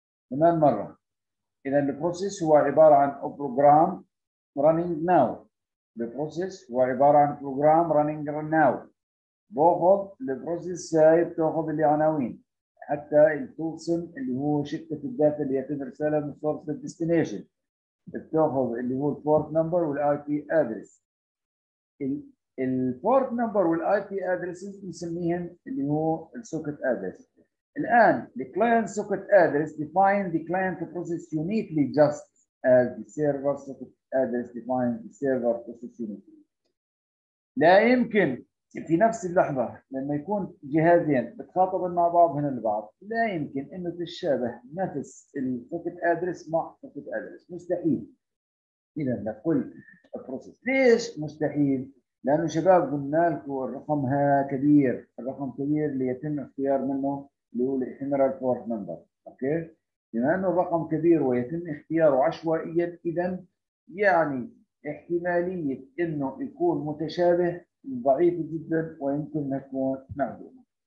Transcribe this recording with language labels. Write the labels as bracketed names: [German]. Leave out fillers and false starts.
[Arabic] كمان مره اذا البروسيس هو عباره عن [English] program running now, [Arabic] البروسيس هو عباره عن بروجرام رننج ناو، باخذ البروسيس سايب تاخذ العناوين حتى توصل اللي هو شركه الداتا اللي يتم ارسالها من سورس للديستنيشن، بتاخذ اللي هو البورت نمبر والاي بي ادرس. البورت نمبر والاي بي ادرس بنسميهم اللي هو السوكت ادرس. [English] الان the client socket address define the client process uniquely just as the server socket address define the server process uniquely. [Arabic] لا يمكن في نفس اللحظه لما يكون جهازين بتخاطب مع بعضهم البعض لا يمكن انه تتشابه نفس السوكت ادرس مع السوكت ادرس، مستحيل. اذا لكل بروسيس ليش مستحيل؟ لانه شباب قلنا لكم الرقم ها كبير، الرقم كبير ليتم اختيار منه اللي هو الإفيميرال بورت نمبر، اوكي؟ بما انه الرقم كبير ويتم اختياره عشوائيا اذا يعني احتماليه انه يكون متشابه ضعيفه جدا ويمكن انها تكون معدومه.